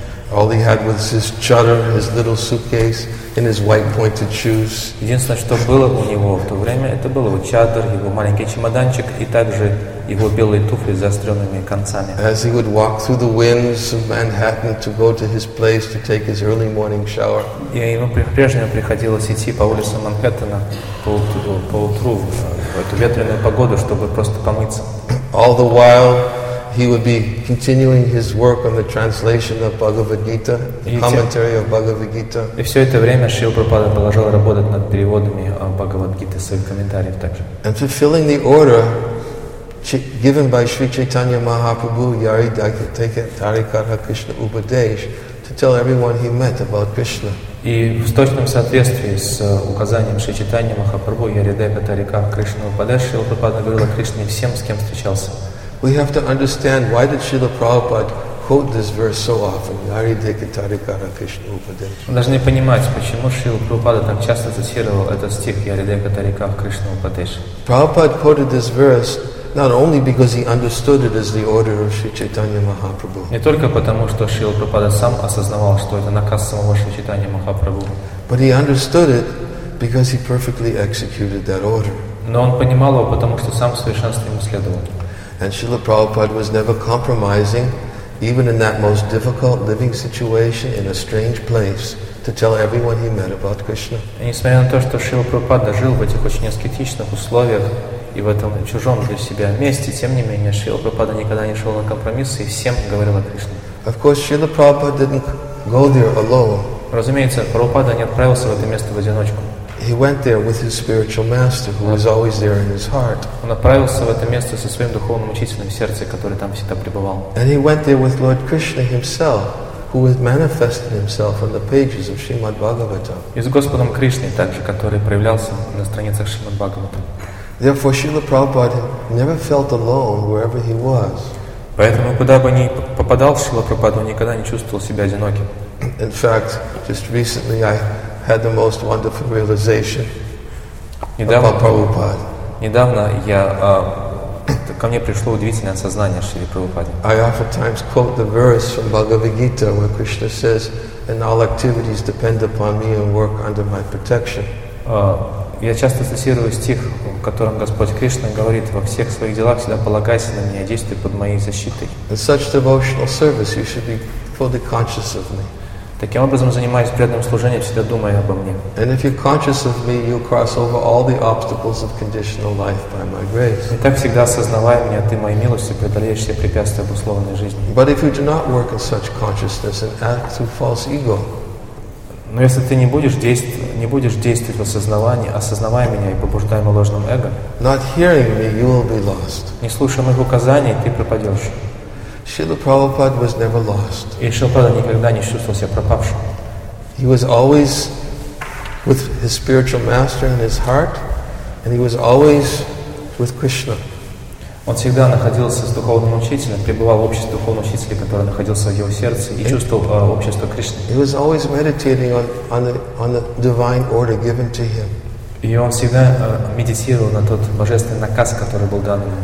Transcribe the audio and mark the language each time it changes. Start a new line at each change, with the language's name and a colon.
English: All he had was his chatter, his little suitcase, and his white pointed shoes.
Russian: Единственное, что было у него в то время, это был его чаддер, его маленький чемоданчик и также его белые туфли с заостренными концами.
English: As he would walk through the winds of Manhattan to go to his place to take his early morning shower.
Russian: И ему прежнему приходилось идти по улицам Манхэттена поутру в эту ветреную погоду, чтобы просто помыться.
English: All the while he would be continuing his work on the translation of Bhagavad Gita, the commentary of Bhagavad Gita.
Russian: И все это время Шрила Прабхупада продолжал работать над переводами Бхагавад Гиты, своих комментариев также.
English: And fulfilling the order given by Sri Chaitanya Mahaprabhu,
Bangla: Yari Dakitake Tarikara Krishna Upadesh,
English: to tell everyone he met about Krishna.
Russian: И в точном соответствии с указанием Шри Чайтанья Махапрабху
Bangla: Яри Дайка Тарика Кришна Упадеш,
Russian: Шрила Прабхупада говорил о Кришне всем, с кем встречался.
English: We have to understand why did Srila Prabhupada quote this verse so often,
Bangla: Yari Dika Tarikara Krishna Upadesh.
Russian: Мы должны понимать, почему Шрила Прабхупада так часто цитировал этот стих
Bangla: Яри Дайка Тарика Кришна Упадеш.
English: Prabhupada quoted this verse not only because he understood it as the order of Sri Chaitanya Mahaprabhu.
Russian: Не только потому, что Шрила Прабхупада сам осознавал, что это наказ самого Шри Чайтанья Махапрабху.
English: But he understood it because he perfectly executed that order.
Russian: Но он понимал его, потому что сам в совершенстве ему следовал.
English: And Srila Prabhupada was never compromising, even in that most difficult living situation in a strange place, to tell everyone he met about Krishna.
Russian: И несмотря на то, что Шрила Прабхупада жил в этих очень аскетичных условиях и в этом чужом для себя месте, тем не менее, Шрила Прабхупада никогда не шел на компромиссы и всем говорил о Кришне.
English: Of course, Srila Prabhupada didn't go there alone.
Russian: Разумеется, Прабхупада не отправился в это место в одиночку.
English: He went there with his spiritual master, who was always there in his heart.
Russian: Он отправился в это место со своим духовным учителем в сердце, который там всегда пребывал.
English: And he went there with Lord Krishna himself, who was manifesting himself on the pages of Srimad Bhagavatam.
Russian: И с Господом Кришной также, который проявлялся на страницах Шримад Бхагаватам.
English: Therefore, Srila Prabhupada never felt alone wherever he was.
Russian: Поэтому куда бы ни попадал Шрила Прабхупада, он никогда не чувствовал себя одиноким.
English: In fact, just recently I had the most wonderful realization
Russian: недавно,
English: about Prabhupada.
Russian: Недавно я ко мне пришло удивительное осознание Шри Прабхупады.
English: I oftentimes quote the verse from Bhagavad Gita where Krishna says, "And all activities depend upon me and work under my protection."
Russian: Я часто цитирую стих, в котором Господь Кришна говорит: «Во всех своих делах всегда полагайся на меня, действуй под моей защитой».
English: In such devotional service, you should be fully conscious of me.
Russian: Таким образом, занимаясь преданным служением, всегда думая обо мне.
English: And if you're conscious of me, you'll cross over all the obstacles of conditional life by my grace.
Russian: И так всегда осознавая меня, ты моей милостью преодолеешь все препятствия в условной жизни.
English: But if you do not work in such consciousness and act through false ego.
Russian: Но если ты не будешь действовать в осознавании, осознавая меня и побуждая моим ложным эго,
English: not hearing me, you will be lost.
Russian: Не слушая моих указаний, ты пропадешь.
English: Srila Prabhupada was never lost.
Russian: И Шрила Прабхупада никогда не чувствовал себя пропавшим.
English: He was always with his spiritual master in his heart, and he was always with Krishna.
Russian: Он всегда находился с духовным учителем, пребывал в обществе духовного учителя, который находился в его сердце, и чувствовал общество Кришны.
English: He was always meditating on the divine order given to him.
Russian: И он всегда медитировал на тот божественный наказ, который был дан ему.